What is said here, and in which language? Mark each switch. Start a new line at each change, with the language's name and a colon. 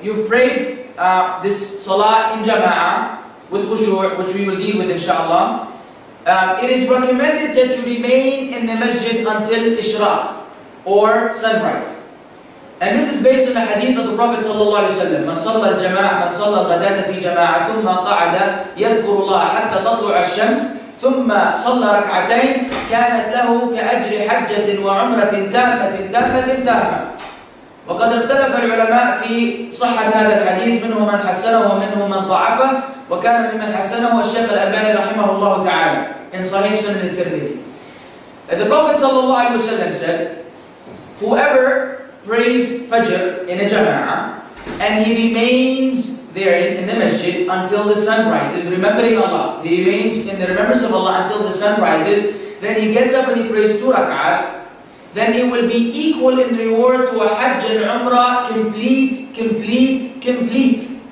English: You've prayed this salah in jama'ah with khushu', which we will deal with inshallah. It is recommended that you remain in the masjid until Ishraq or sunrise. And this is based on the hadith of the Prophet sallallahu alaihi wasallam.
Arabic: من صلى الجماعة من صلى الغداة في جماعة ثم قعد يذكر الله حتى تطلع الشمس ثم صلى ركعتين كانت له كأجر حجة وعمرة تامة تامة تامة. وقد اختلف العلماء في صحة هذا الحديث، منهم من حسنه ومنهم من ضعفه، وكان ممن حسنه الشيخ الألباني رحمه الله تعالى إن صحيح سنن الترمذي.
English: The Prophet
Arabic: صلى الله عليه وسلم
English: said, whoever prays Fajr in a jama'ah and he remains therein in the masjid until the sun rises, remembering Allah, he remains in the remembrance of Allah until the sun rises, then he gets up and he prays 2 rak'at, then it will be equal in reward to a Hajj and Umrah complete, complete, complete.